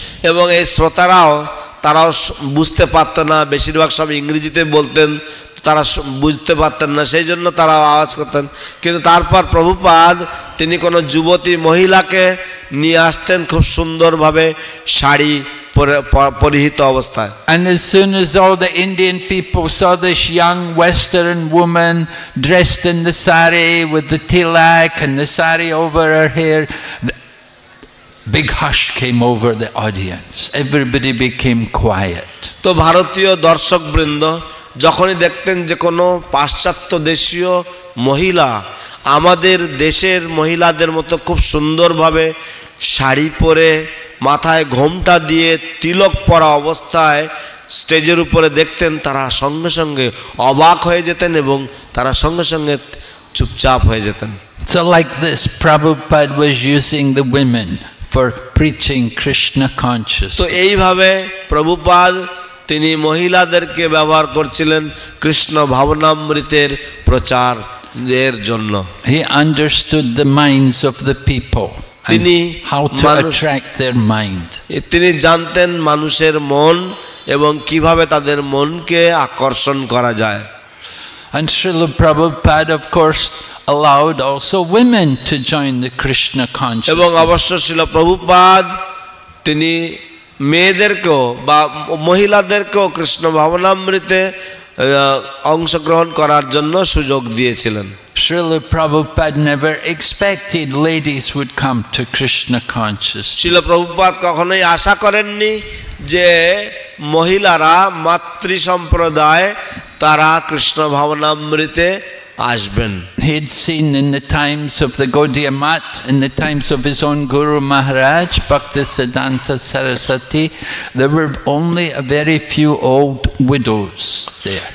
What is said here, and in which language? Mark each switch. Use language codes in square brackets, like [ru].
[bn] এবং এই শ্রোতারাও তারাও বুঝতে পারত না বেশিরভাগ সব ইংরেজিতে বলতেন তারা বুঝতে পারতেন না সেই জন্য তারা আওয়াজ করতেন কিন্তু তারপর প্রভুপাদ তিনি কোনো যুবতী মহিলাকে নিয়ে আসতেন খুব সুন্দরভাবে শাড়ি পরিহিত অবস্থায় [en] And as soon as all the Indian people saw this young Western woman dressed in the sari with the tilak and the sari over her hair, big hush came over the audience. Everybody became quiet. [bn] তো ভারতীয় দর্শকবৃন্দ যখনই দেখতেন যে কোনো পাশ্চাত্য দেশীয় মহিলা আমাদের দেশের মহিলাদের মতো খুব সুন্দরভাবে শাড়ি পরে মাথায় ঘোমটা দিয়ে তিলক পরা অবস্থায় স্টেজের উপরে দেখতেন তারা সঙ্গে সঙ্গে অবাক হয়ে যেতেন এবং তারা সঙ্গে সঙ্গে চুপচাপ হয়ে যেতেন [en] So like this, Prabhupada was using the women for preaching Krishna consciousness. [bn] তো এইভাবে প্রভুপাদ তিনি মহিলাদেরকে ব্যবহার করছিলেন কৃষ্ণ ভাবনামৃতের প্রচার এর জন্য [en] He understood the minds of the people [bn] তিনি [en] how to attract their mind [bn] তিনি জানতেন মানুষের মন এবং কিভাবে তাদের মনকে আকর্ষণ করা যায় [en] And Srila Prabhupada of course allowed also women to join the Krishna consciousness [bn] এবং অবশ্য Srila Prabhupada তিনি মেয়েদেরকেও বা মহিলাদেরকেও কৃষ্ণ ভাবনামৃতে অংশগ্রহণ করার জন্য সুযোগ দিয়েছিলেন [en] Srila Prabhupada never expected ladies would come to Krishna consciousness. [bn] Srila Prabhupada কখনোই আশা করেননি যে মহিলারা মাতৃ সম্প্রদায় তারা কৃষ্ণ ভাবনামৃতে আসবেন. [en] He'd seen in the times of the Gaudiya Math, in the times of his own Guru Maharaj, Bhaktisiddhanta Sarasati, there were only a very few old widows there.